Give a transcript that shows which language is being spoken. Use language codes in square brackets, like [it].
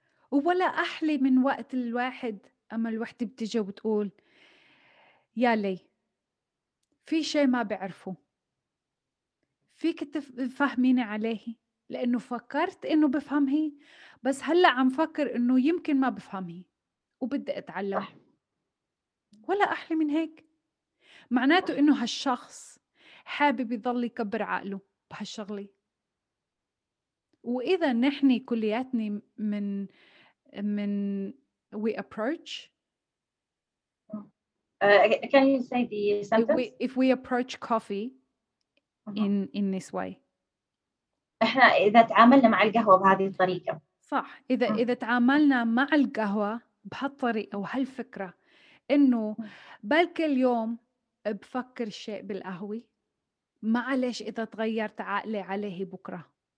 [ar] ولا أحلي من وقت الواحد أما الوحدة بتجي وتقول يا لي في شيء ما بعرفه فيك تفهميني عليه لأنه فكرت إنه بفهمه بس هلأ عم فكر إنه يمكن ما بفهمه وبدي أتعلم ولا أحلى من هيك. معناته إنه هالشخص حابب يضل يكبر عقله بهالشغلي. وإذا نحن كلياتنا من [en] we approach can you say the sentence if we approach coffee in this way [ar] احنا اذا تعاملنا مع القهوه بهذه الطريقه صح اذا تعاملنا مع القهوه بهالطريقه وهالفكره انه بلكي اليوم بفكر شيء بالقهوه معلش اذا تغيرت عقلي عليه بكره